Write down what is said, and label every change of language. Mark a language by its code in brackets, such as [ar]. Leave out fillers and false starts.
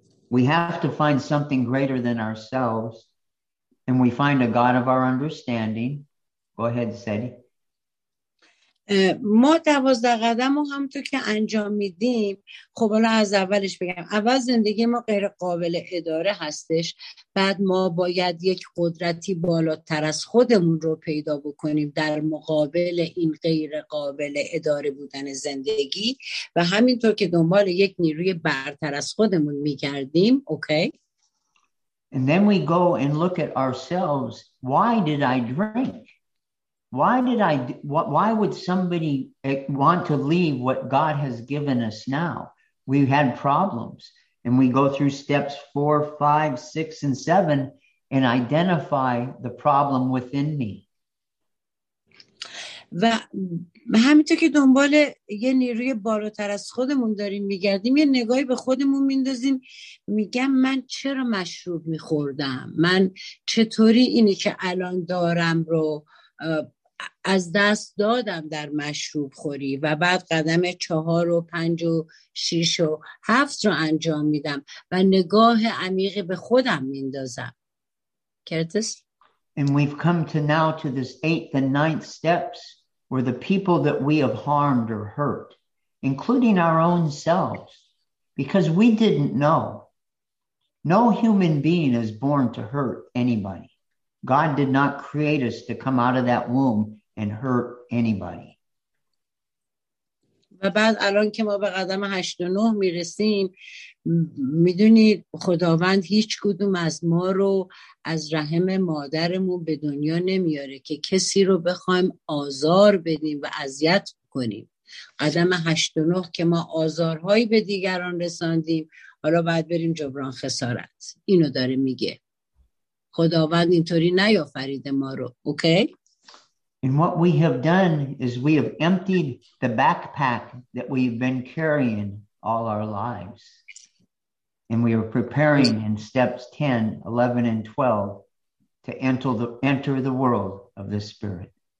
[en] We have to find something greater than ourselves, and we find a God of our understanding. Go ahead, Sadie. [fa] ما 12 قدم رو هم تو که انجام میدیم، خب حالا از اولش بگم، اول زندگی ما غیر قابل اداره هستش، بعد ما باید یک قدرتی بالاتر از خودمون رو پیدا بکنیم در مقابل این غیر قابل اداره بودن زندگی، و همینطور که دنبال یک نیروی برتر از خودمون میگردیم. اوکی؟ [en] And then we go and look at ourselves. Why did I drink? Why would somebody want to leave what God has given us now? We had problems, and we go through steps 4, 5, 6, and 7 and identify the problem within me. [fa] و همینطور که دنبال یه نیروی بالاتر از خودمون داریم میگردیم، یه نگاهی به خودمون میندازیم، میگم من چرا مشروب میخوردم؟ من چطوری اینی که الان دارم رو از دست دادم در مشروب خوری؟ و بعد قدم 4, 5, 6, 7 رو انجام میدم و نگاه عمیق به خودم میندازم. کرتیس؟ [en] And we've come to now to this 8th and 9th steps where the people that we have harmed or hurt, including our own selves, because we didn't know. No human being is born to hurt anybody. God did not create us to come out of that womb and hurt anybody. [fa] و بعد الان که ما به قدم 8 و 9 میرسیم، میدونید خداوند هیچ کدوم از ما رو از رحم مادرمون به دنیا نمیاره که کسی رو بخوایم آزار بدیم و اذیت کنیم. قدم 8 و 9 که ما آزارهایی به دیگران رساندیم، حالا باید بریم جبران خسارت. اینو داره میگه. خداوند اینطوری نیافریده ما رو. اوکی؟ [en] And what we have done is we have emptied the backpack that we've been carrying all our lives. And we are preparing in steps 10, 11, and 12 to enter the world of the Spirit.